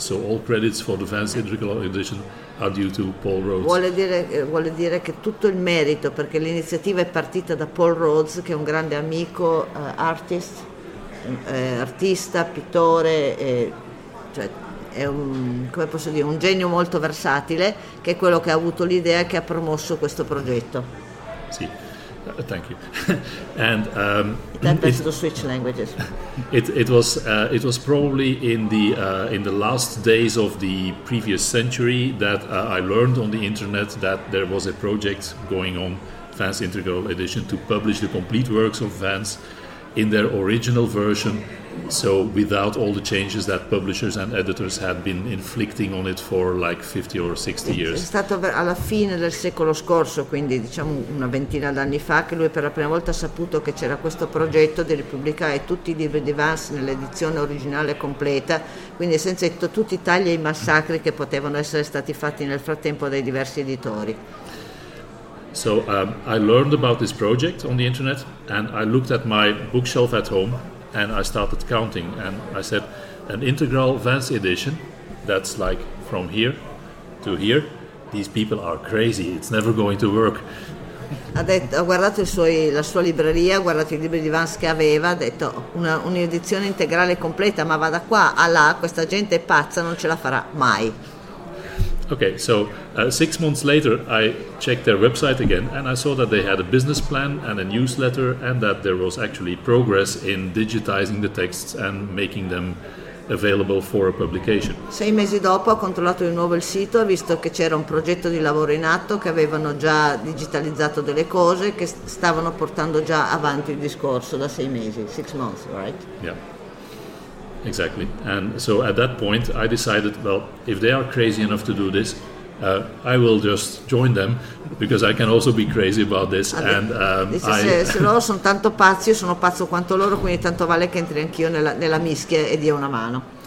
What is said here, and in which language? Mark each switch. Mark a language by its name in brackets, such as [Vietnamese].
[English] So all credits for the Vance Integral Edition are due to Paul Rhodes. [Italian] Vuole dire che tutto il merito, perché l'iniziativa è partita da Paul Rhodes, che è un grande amico, artist. Artista, pittore, cioè è un genio molto versatile, che è quello che ha avuto l'idea e che ha promosso questo progetto. [English] Sì, thank you. And to switch languages. It was probably in the last days of the previous century that I learned on the internet that there was a project going on, Vance Integral Edition, to publish the complete works of Vance in their original version, so without all the changes that publishers and editors had been inflicting on it for like 50 or 60 years. [Italian] È stato alla fine del secolo scorso, quindi diciamo una ventina d'anni fa, che lui per la prima volta ha saputo che c'era questo progetto di ripubblicare tutti i libri di Vance nell'edizione originale completa, quindi senza tutti i tagli e i massacri che potevano essere stati fatti nel frattempo dai diversi editori. [English] So I learned about this project on the internet and I looked at my bookshelf at home and I started counting and I said an integral Vance edition, that's like from here to here, these people are crazy, it's never going to work. [Italian] Ha guardato la sua libreria, ha guardato i libri di Vance che aveva, ha detto un'edizione integrale completa, ma va da qua a là, questa gente è pazza, non ce la farà mai. [English] Okay, so 6 months later I checked their website again and I saw that they had a business plan and a newsletter and that there was actually progress in digitizing the texts and making them available for a publication. [Italian] 6 mesi dopo ho controllato di nuovo il sito, ho visto che c'era un progetto di lavoro in atto, che avevano già digitalizzato delle cose, che stavano portando già avanti il discorso da 6 mesi, [English] 6 months, right? Yeah. Exactly. And so at that point, I decided, well, if they are crazy enough to do this, I will just join them, because I can also be crazy about this. [Italian] Se loro sono tanto pazzi, io sono pazzo quanto loro, quindi tanto vale che entri anch'io nella mischia e dia una mano.